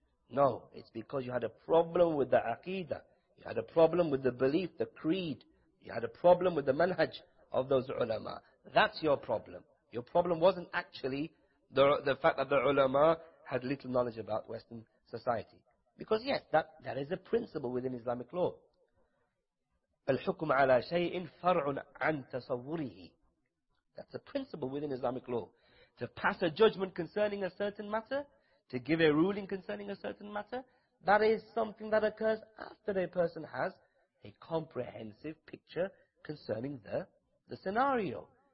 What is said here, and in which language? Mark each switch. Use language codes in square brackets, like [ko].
[en] No, it's because you had a problem with the aqidah. You had a problem with the belief, the creed. You had a problem with the manhaj of those ulama. That's your problem. Your problem wasn't actually the fact that the ulama had little knowledge about Western society. Because yes, that is a principle within Islamic law. [ar] الحكم على شيء فرع عن تصوره. [en] That's a principle within Islamic law. To pass a judgment concerning a certain matter, to give a ruling concerning a certain matter, that is something that occurs after a person has a comprehensive picture concerning the scenario.